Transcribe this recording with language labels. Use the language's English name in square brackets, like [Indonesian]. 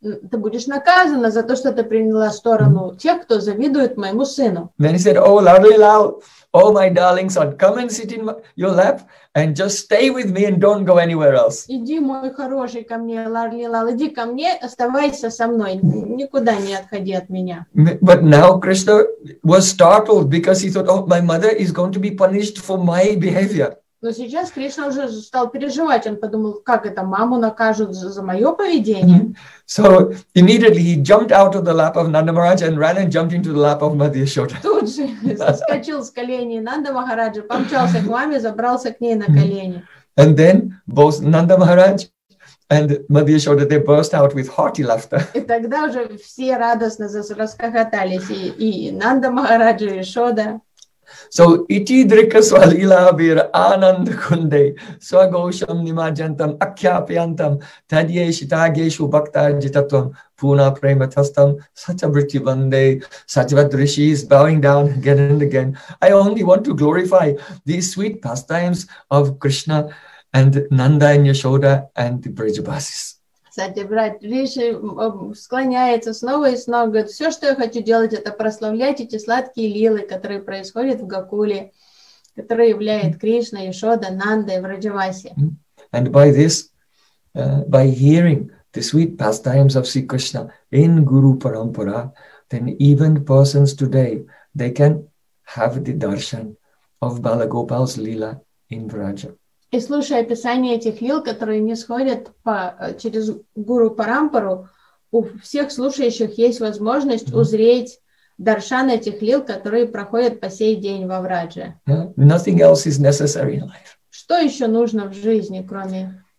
[Russian] Ты будешь наказана за то, что ты приняла сторону тех, кто завидует моему сыну. [English] Then he said, "Oh, lovely Lal, oh my darling son, come and sit in your lap and just stay with me and don't go anywhere else." [Russian] Иди, мой хороший, ко мне, Ларли Лал, иди ко мне, оставайся со мной, никуда не отходи от меня. [English] But now Krishna was startled because he thought, "Oh, my mother is going to be punished for my behavior." [Russian] Но сейчас Кришна уже стал переживать. Он подумал, как это маму накажут за мое поведение. [English] So immediately he jumped out of the lap of Nanda Maharaj and ran and jumped into the lap of Madhya Shoda. [Russian] Тут же соскочил с коленей Нанда Махараджа, помчался к маме, забрался к ней на колени. [English] And then both Nanda Maharaj And Madhya Shoda, they burst out with hearty laughter. [Russian] И тогда уже все радостно расхохотались, и Нанда Махараджа, и Шода. [Sanskrit] So iti drikaswal ilavir anand kunde swagosham nimajantam akhyapyantam tadyeshitageshu bhaktarjitatvam puna prematastam satyavritti vande. [English] Sajivad Rishi is bowing down again and again. I only want to glorify these sweet pastimes of Krishna and Nanda and Yashoda and the Brajabasis. [Russian] Сатибрат Риши склоняется снова и снова, говорит, все, что я хочу делать, это прославлять эти сладкие лилы, которые происходят в Гокуле, которые являют Кришна, Яшода, Нанда и Враджаваси. [English] And by this, by hearing the sweet pastimes of Sri Krishna in Guru Parampara, then even persons today, they can have the darshan of Balagopal's lila in Vraja. [Russian] И слушая описание этих лил, которые нисходят через Гуру Парампару, у всех слушающих есть возможность узреть даршан этих лил, которые проходят по сей день во Врадже. [English] Yeah. Nothing else is necessary in life. [Russian] Что еще нужно в жизни, кроме